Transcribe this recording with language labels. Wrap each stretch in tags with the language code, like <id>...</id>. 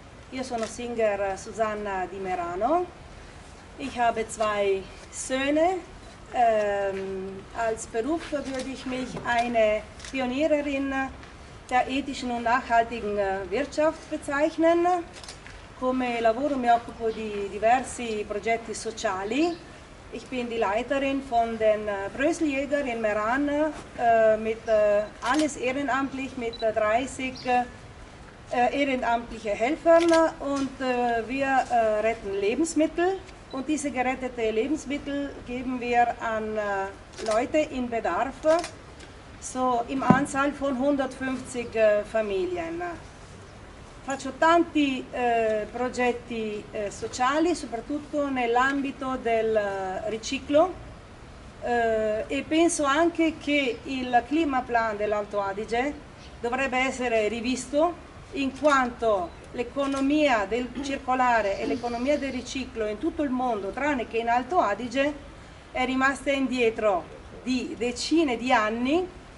<de>Ich bin Singer Susanna Di Merano. Ich habe 2 Söhne, Als Beruf würde ich mich eine Pionierin der ethischen und nachhaltigen Wirtschaft bezeichnen.</de> <it>Come lavoro mi occupo di diversi progetti sociali.</it> <de>Ich bin die Leiterin von den Bröseljägern in Meran, mit alles ehrenamtlich, mit 30 ehrenamtlichen Helfern. Und wir retten Lebensmittel. Und diese geretteten Lebensmittel geben wir an Leute in Bedarf, so im Anzahl von 150 Familien.</de> <it>Faccio tanti progetti sociali, soprattutto nell'ambito del riciclo, e penso anche che il Clima Plan dell'Alto Adige dovrebbe essere rivisto, in quanto l'economia del circolare e l'economia del riciclo in tutto il mondo, tranne che in Alto Adige, è rimasta indietro di decine di anni.</it>